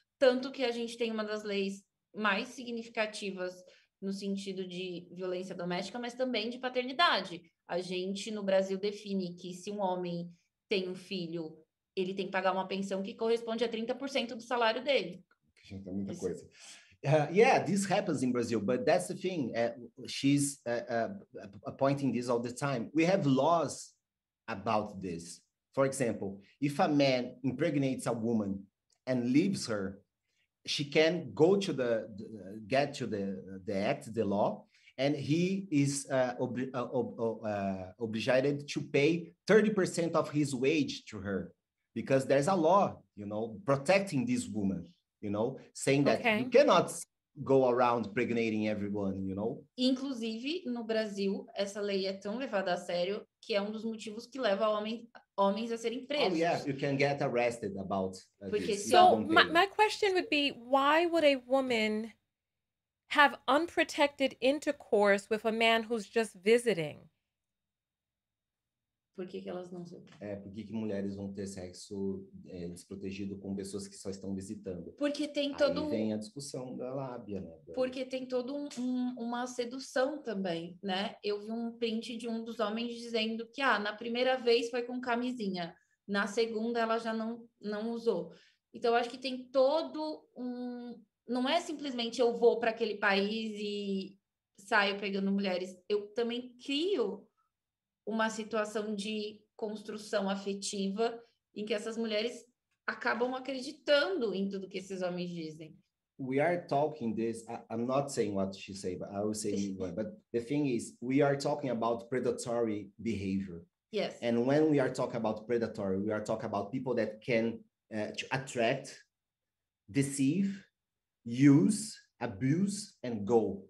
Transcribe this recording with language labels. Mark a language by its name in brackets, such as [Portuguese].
[Portuguese] Tanto que a gente tem uma das leis mais significativas no sentido de violência doméstica, mas também de paternidade. A gente, no Brasil, define que se um homem tem um filho... ele tem que pagar uma pensão que corresponde a 30% do salário dele. Gente, é muita coisa. [English] Yeah, this happens in Brazil, but that's the thing. She's pointing this all the time. We have laws about this. For example, if a man impregnates a woman and leaves her, she can go to the law, and he is obligated to pay 30% of his wage to her. because there's a law, you know, protecting this woman, you know, saying that okay. you cannot go around impregnating everyone, you know? [Portuguese] Inclusive, no Brasil, essa lei é tão levada a sério que é um dos motivos que leva homens a serem presos. [English] Oh, yeah, you can get arrested about this. So, my question would be, why would a woman have unprotected intercourse with a man who's just visiting? [Portuguese] Por que que elas não... É, por que que mulheres vão ter sexo desprotegido com pessoas que só estão visitando? Porque tem todo... Aí vem a discussão da lábia, né? Porque tem todo uma sedução também, né? Eu vi um print de um dos homens dizendo que, na primeira vez foi com camisinha, na segunda ela já não usou. Então, eu acho que tem todo Não é simplesmente eu vou para aquele país e saio pegando mulheres. Eu também crio uma situação de construção afetiva em que essas mulheres acabam acreditando em tudo que esses homens dizem. [English] We are talking this, I'm not saying what she said, but I will say anyway, but the thing is, we are talking about predatory behavior. Yes. And when we are talking about predatory, we are talking about people that can attract, deceive, use, abuse, and go.